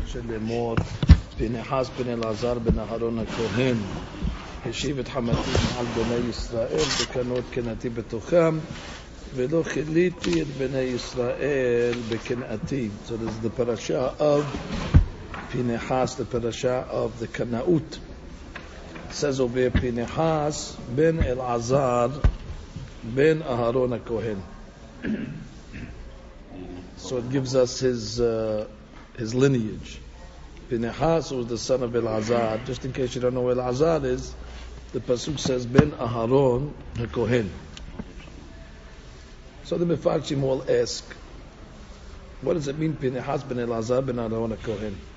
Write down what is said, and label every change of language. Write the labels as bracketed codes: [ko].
[he] שלמות, פנחס בן אלעזר בן אהרון הכהן, השיב את חמתי מעל בני ישראל, בקנאות קנאתי בתוכם, ולא חיליתי את בני ישראל בקנאתי. [en] So this is the parasha of פנחס, the parasha of the קנאות. Says over [he] פנחס בן אלעזר בן אהרון הכהן. [en] So it gives us his lineage. Pinhas was the son of Elazar. Just in case you don't know who Elazar is, the pasuk says Ben Aharon HaKohen. So the Mefarshim will ask, what does it mean Pinhas Ben Elazar Ben Aharon HaKohen?